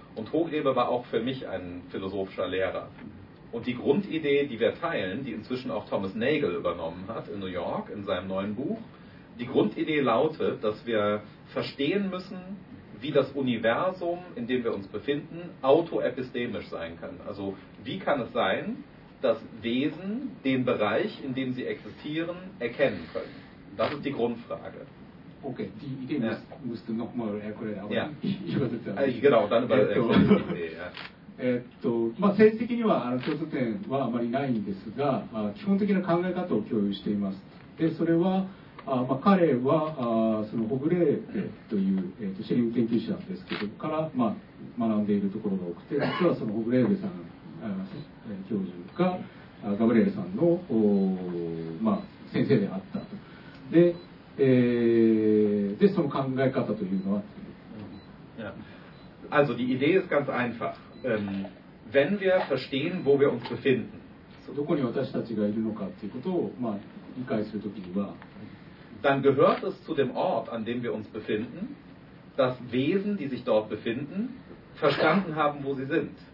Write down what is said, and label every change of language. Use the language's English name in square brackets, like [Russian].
[German] Und Hochrebe war auch für mich ein philosophischer Lehrer. Und die Grundidee, die wir teilen, die inzwischen auch Thomas Nagel übernommen hat in New York in seinem neuen Buch, die Grundidee lautet, dass wir verstehen müssen, wie das Universum, in dem wir uns befinden, autoepistemisch sein kann. Also wie kann es sein, dass Wesen den Bereich, in dem sie existieren, erkennen können? Das ist die Grundfrage. Okay, die Idee musst du nochmal erklären, aber ich übersetze das. Genau, dann übersetze ich die Idee, ja. [Japanese] まあ、政治的には共通点はあまりないんですが、まあ、基本的な考え方を共有しています。でそれは、まあ、彼はそのホグレーベという、シェリング研究者ですけどから、まあ、学んでいるところが多くて、実はそのホグレーベさん教授がガブレールさんの、まあ、先生であったと。で、でその考え方というのは、 yeah. [German] Also die Idee ist ganz einfach. Wenn wir verstehen, wo wir uns befinden, dann gehört es zu dem Ort, an dem wir uns befinden, dass Wesen, die sich dort befinden, verstanden haben, wo sie sind.